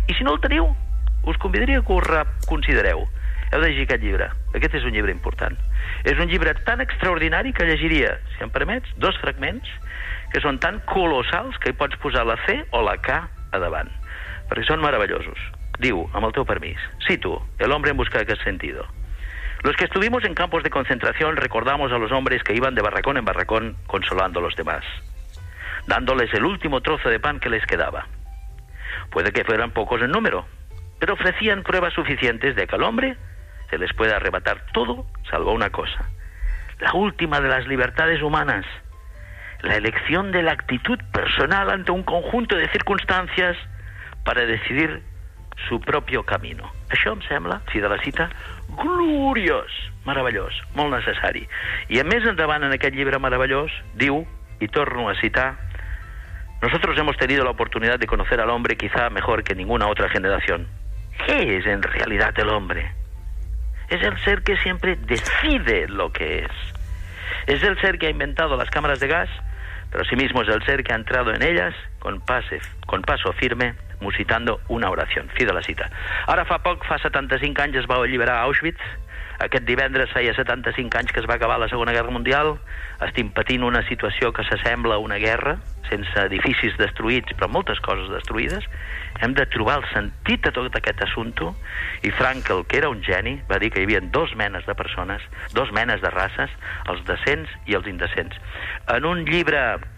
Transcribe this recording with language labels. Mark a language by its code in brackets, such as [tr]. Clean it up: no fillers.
[ca] I si no el teniu, us convidaria que ho reconsidereu. Heu de llegir aquest llibre. Aquest és un llibre important. És un llibre tan extraordinari que llegiria, si em permets, dos fragments que són tan colossals que hi pots posar la C o la K a davant, perquè són meravellosos. Diu, amb el teu permís, cito, [es] el hombre en busca de [ca] aquest sentido. [es] Los que estuvimos en campos de concentración recordamos a los hombres que iban de barracón en barracón consolando a los demás, dándoles el último trozo de pan que les quedaba. Puede que fueran pocos en número, pero ofrecían pruebas suficientes de que al hombre se les puede arrebatar todo, salvo una cosa. La última de las libertades humanas, la elección de la actitud personal ante un conjunto de circunstancias para decidir su propio camino. [ca] Això em sembla, si de la cita, gloriós, meravellós, molt necessari. I a més endavant en aquest llibre meravellós, diu, i torno a citar, [es] nosotros hemos tenido la oportunidad de conocer al hombre quizá mejor que ninguna otra generación. ¿Qué es en realidad el hombre? Es el ser que siempre decide lo que es. Es el ser que ha inventado las cámaras de gas, pero asimismo es el ser que ha entrado en ellas con paso firme, musitando una oración. [ca] Fi de la cita. Ara fa poc, fa 75 anys, es va alliberar Auschwitz. Aquest divendres feia 75 anys que es va acabar la Segona Guerra Mundial. Estim patint una situació que s'assembla a una guerra, sense edificis destruïts, però moltes coses destruïdes. Hem de trobar el sentit de tot aquest assumpte. I Frankl, que era un geni, va dir que hi havia dos menes de persones, dos menes de races, els decents i els indecents. En un llibre